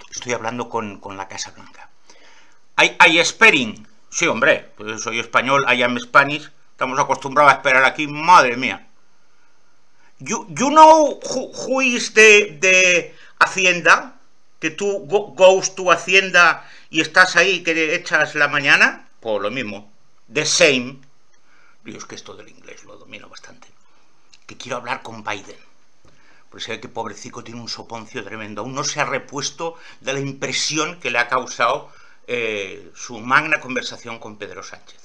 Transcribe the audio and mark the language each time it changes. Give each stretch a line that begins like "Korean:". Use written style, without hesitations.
Spanish: Estoy hablando con la Casa Blanca. Hay Sperrin. Sí, hombre, pues soy español,
English: I am Spanish.
Spanish: Estamos acostumbrados a esperar aquí, madre mía.
English: You know who is de Hacienda?
Spanish: Que tú
English: goes to
Spanish: Hacienda y estás ahí, que te echas la mañana. Pues lo mismo.
English: The same.
Spanish: Dios, que esto del inglés lo domino bastante. Que quiero hablar con Biden. Pues sabe que pobrecico tiene un soponcio tremendo. Aún no se ha repuesto de la impresión que le ha causado su magna conversación con Pedro Sánchez.